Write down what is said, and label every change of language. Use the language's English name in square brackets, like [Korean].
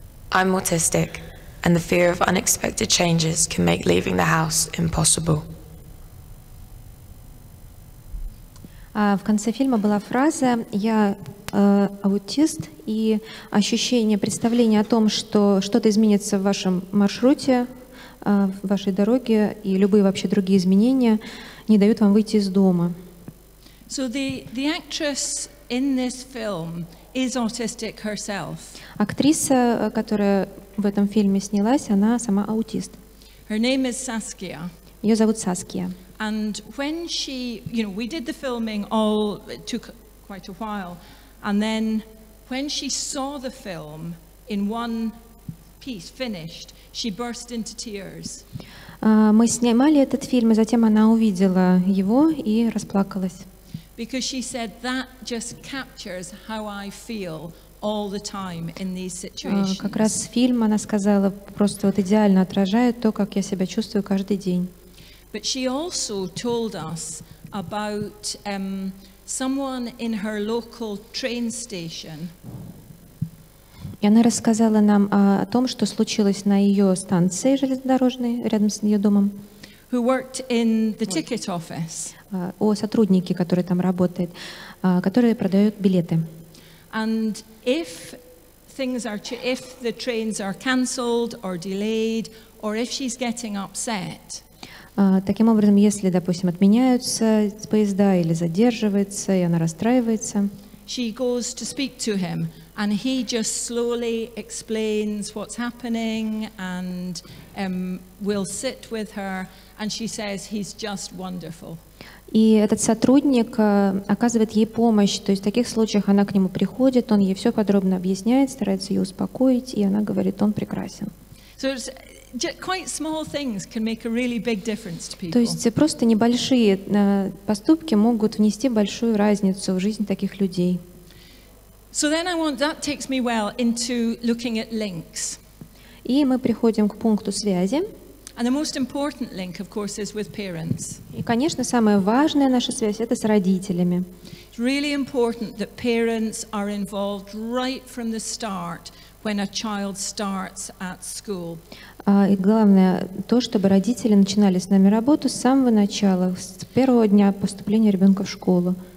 [English] I'm autistic, and the fear of unexpected changes can make leaving the house impossible. [Russian] В конце фильма была фраза: я аутист, и ощущение, представление о том, что что-то изменится в вашем маршруте, в вашей дороге, и любые вообще другие изменения не дают вам выйти из дома. [English] So the actress in this film is autistic herself. [Russian] Актриса, которая в этом фильме снялась, она сама аутист. [English] Her name is Saskia. [Russian] Ее зовут Saskia. [English] And when she, you know, we did the filming all, it took quite a while, and then when she saw the film in one piece finished, she burst into tears. [Russian] Мы снимали этот фильм, и затем она увидела его и расплакалась. [English] Because she said that just captures how I feel all the time in these situations. [Russian] Как раз фильм, она сказала, просто вот идеально отражает то, как я себя чувствую каждый день. [English] But she also told us about someone in her local train station. [Russian] И она рассказала нам о том, что случилось на ее станции железнодорожной рядом с ее домом. [English] Who worked in the ticket office? [Russian] О сотруднике, который там работает, который продает билеты. [English] And if things are, if the trains are cancelled or delayed, or if she's getting upset. [Russian] Таким образом, если, допустим, отменяются поезда или задерживается, и она расстраивается. [English] She goes to speak to him, and he just slowly explains what's happening, and will sit with her, and she says he's just wonderful. [Russian] И этот сотрудник оказывает ей помощь, то есть в таких случаях она к нему приходит, он ей все подробно объясняет, старается ее успокоить, и она говорит, он прекрасен. [English] So quite small things can make a really big difference to people. [Russian] То есть просто небольшие поступки могут внести большую разницу в жизнь таких людей. [English] So then I want, that takes me well into looking at links. [Russian] И мы приходим к пункту связи. [English] And the most important link, of course, is with parents. [Russian] И, конечно, самая важная наша связь — это с родителями. [English] It's really important that parents are involved right from the start when a child starts at school. [Russian] И главное то, чтобы родители начинали с нами работу с самого начала, с первого дня поступления ребенка в школу.